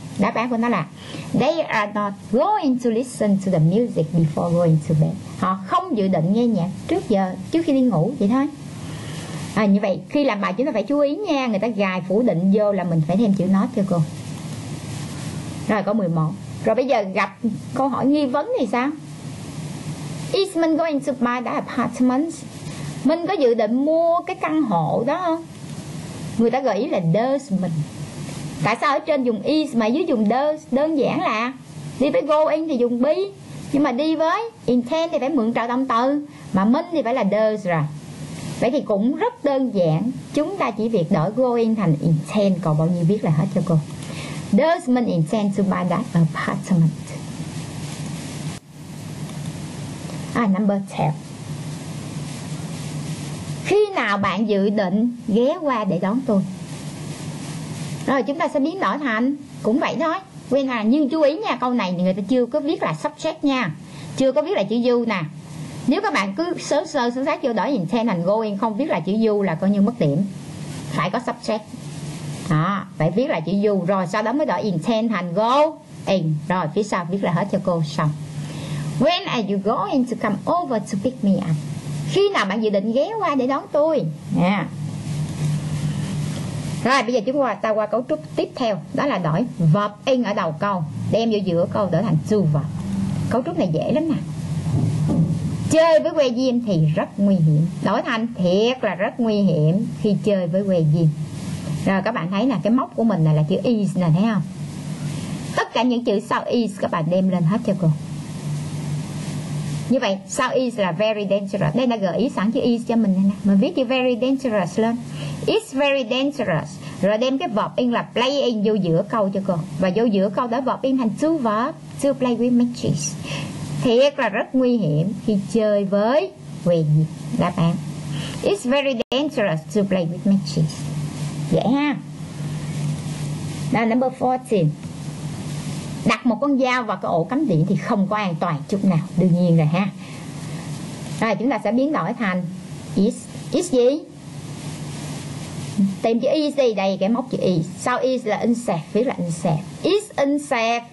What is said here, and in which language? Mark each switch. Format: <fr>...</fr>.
<en>Đáp án của nó là they are not going to listen to the music before going to bed.</en> <vi>Họ không dự định nghe nhạc trước giờ, trước khi đi ngủ, vậy thôi. À, như vậy, khi làm bài chúng ta phải chú ý nha. Người ta gài phủ định vô là mình phải thêm chữ not cho cô. Rồi, có 11. Rồi bây giờ gặp câu hỏi nghi vấn thì sao?</vi> <en>Is Minh going to buy the apartment?</en> <vi>Minh có dự định mua cái căn hộ đó không? Người ta gợi ý là does Minh. Tại sao ở trên dùng is mà dưới dùng does? Đơn giản là đi với going thì dùng be, nhưng mà đi với intend thì phải mượn trợ động từ, mà Minh thì phải là does rồi. Vậy thì cũng rất đơn giản, chúng ta chỉ việc đổi going thành intend, còn bao nhiêu viết là hết cho cô.</vi> <en>Does Min intend to buy that apartment? Number 10.</en> <vi>Khi nào bạn dự định ghé qua để đón tôi? Rồi chúng ta sẽ biến đổi thành cũng vậy thôi.</vi> <en>When are,</en> <vi>nhưng chú ý nha, câu này người ta chưa có viết là subject nha, chưa có viết là chữ you nè. Nếu các bạn cứ sớm sát vô đổi intend thành going, không viết là chữ you là coi như mất điểm. Phải có subject. Đó, phải viết là chữ you rồi sau đó mới đổi intend thành going. Rồi phía sau viết là hết cho cô xong.</vi> <en>When are you going to come over to pick me up?</en> <vi>Khi nào bạn dự định ghé qua để đón tôi? Rồi bây giờ chúng ta qua cấu trúc tiếp theo, đó là đổi verb in ở đầu câu, đem vô giữa câu đổi thành to verb. Cấu trúc này dễ lắm nè. Chơi với que diêm thì rất nguy hiểm. Đổi thành thiệt là rất nguy hiểm khi chơi với que diêm. Rồi các bạn thấy nè, cái móc của mình này là chữ is nè, thấy không? Tất cả những chữ sau is các bạn đem lên hết cho cô. Như vậy, sau is là very dangerous. Đây là gợi ý sẵn chữ is cho mình nè. Mình viết chữ very dangerous lên.</vi> <en>It's very dangerous.</en> <vi>Rồi đem cái verb in là playing vô giữa câu cho cô. Và vô giữa câu đó verb in thành to verb,</vi> <en>to play with matches.</en> <vi>Thiệt là rất nguy hiểm khi chơi với quyền gì? Đáp án:</vi> <en>It's very dangerous to play with matches.</en> <vi>Dễ ha.</vi> <en>Now number 14.</en> <vi>Đặt một con dao vào cái ổ cắm điện thì không có an toàn chút nào. Đương nhiên rồi ha. Rồi chúng ta sẽ biến đổi thành is. Is gì? Tìm chữ is đi. Đây cái móc chữ is. Sau is là unsafe, viết là unsafe. Is unsafe.</vi>